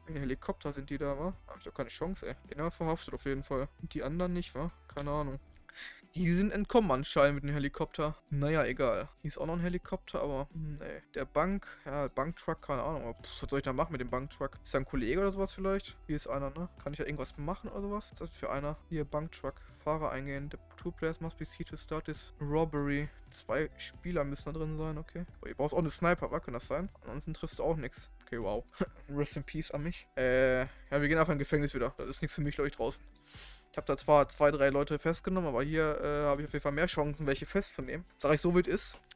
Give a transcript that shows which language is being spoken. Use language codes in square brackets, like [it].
[de] In den Helikopter sind die da, wa? Hab ich doch keine Chance, ey. Genau, verhaftet auf jeden Fall. Und die anderen nicht, wa? Keine Ahnung. Die sind entkommen anscheinend mit dem Helikopter. Naja, egal. Hier ist auch noch ein Helikopter, aber nee. Der Bank, ja, Banktruck, keine Ahnung. Pff, was soll ich da machen mit dem Banktruck? Ist da ein Kollege oder sowas vielleicht? Hier ist einer, ne? Kann ich da irgendwas machen oder sowas? Was ist das für einer? Hier, Banktruck. Fahrer eingehen. [en] The two players must be seen to start this robbery. [de] Zwei Spieler müssen da drin sein, okay. Boah, hier brauchst auch eine Sniper, was kann das sein? Ansonsten triffst du auch nichts. Okay, wow. [en] Rest in peace [de] an mich. Ja, wir gehen einfach in Gefängnis wieder. Das ist nichts für mich, glaube ich, draußen. Ich habe da zwar zwei, drei Leute festgenommen, aber hier habe ich auf jeden Fall mehr Chancen, welche festzunehmen. Sag ich so, wie es ist.